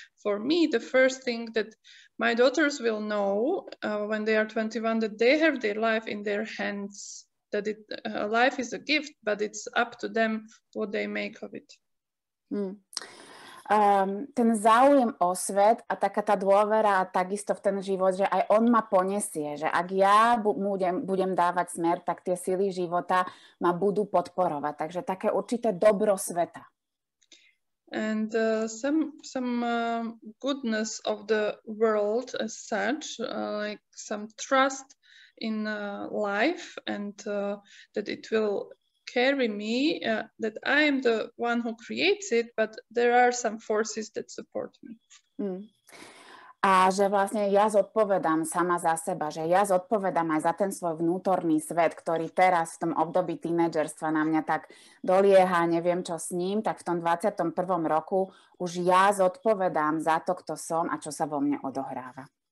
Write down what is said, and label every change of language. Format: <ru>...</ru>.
<en>For me, the first thing that my daughters will know when they are 21, that they have their life in their hands, that it life is a gift, but it's up to them what they make of it. Hmm.</en> <sk>Ten záujem o svet a taká tá dôvera takisto v ten život, že aj on ma poniesie, že ak ja budem dávať smer, tak tie sily života ma budú podporovať. Takže také určité dobro sveta.</sk> <en>And some goodness of the world as such, like some trust in life and that it will carry me, that I am the one who creates it, but there are some forces that support me. Mm.</en> <sk>A že vlastne ja zodpovedám sama za seba, že ja zodpovedám aj za ten svoj vnútorný svet, ktorý teraz v tom období tínedžerstva na mňa tak dolieha, neviem čo s ním, tak v tom 21. roku už ja zodpovedám za to, kto som a čo sa vo mne odohráva.</sk>